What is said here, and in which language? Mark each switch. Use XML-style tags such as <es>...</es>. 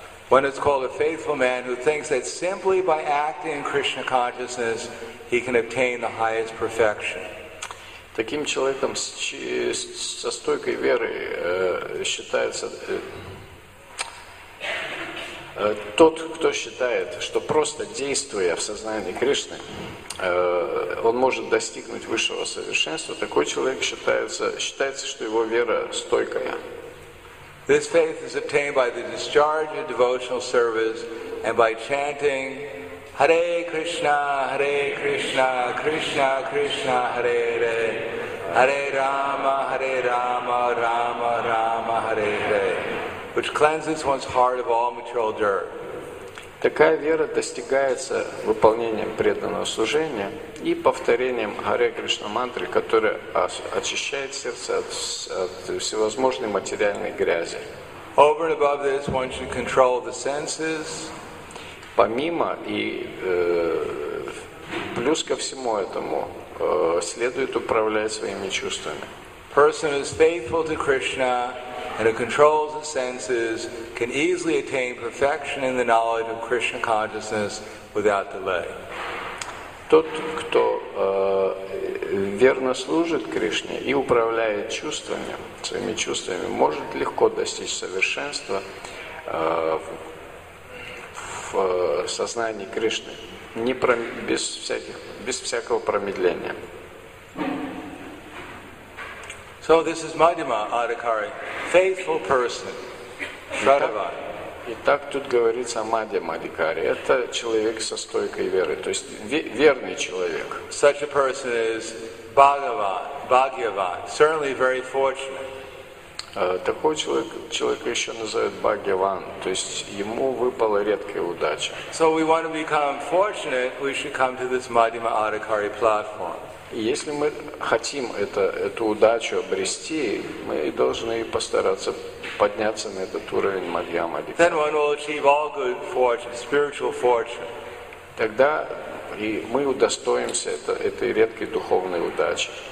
<en>When it's called a faithful man who thinks that simply by acting in Krishna consciousness he can obtain the highest perfection.</en> <ru>Таким человеком со стойкой верой считается тот, кто считает, что просто действуя в сознании Кришны, он может достигнуть высшего совершенства. Такой человек считается, что его вера стойкая.</ru> <en>This faith is obtained by the discharge of devotional service and by chanting Hare Krishna, Hare Krishna, Krishna Krishna, Hare Hare, Hare Rama, Rama Rama, Hare Hare, which cleanses one's heart of all material dirt.</en> <ru>Такая вера достигается выполнением преданного служения и повторением Харе Кришна мантры, которая очищает сердце от всевозможной материальной грязи.</ru> <en>Over and above this, one should control the senses.</en> <ru>Помимо и плюс ко всему этому, следует управлять своими чувствами.</ru> <en>Person who is faithful to Krishna and who controls the senses can easily attain perfection in the knowledge of Krishna consciousness without delay.</en> <ru>Тот, кто верно служит Кришне и управляет чувствами, своими чувствами, может легко достичь совершенства в сознании Кришны без всякого промедления.</ru> <en>So this is Madhyama Adhikari, faithful person, Shradhavan.</en> <ru>Итак, тут говорится о Мадьяма Адхикари. Это человек со стойкой верой, то есть верный человек.</ru> <en>Such a person is Bhagavan, Bhagyavan, certainly very fortunate.</en> <ru>Такой человек еще называют Бхагьяван, то есть ему выпала редкая удача.</ru> <en>So we want to become fortunate, we should come to this Madhyama Adhikari platform.</en> <ru>Если мы хотим эту удачу обрести, мы должны постараться подняться на этот уровень Мадьяма Адхикари. Тогда и мы удостоимся этой редкой духовной удачи.</ru>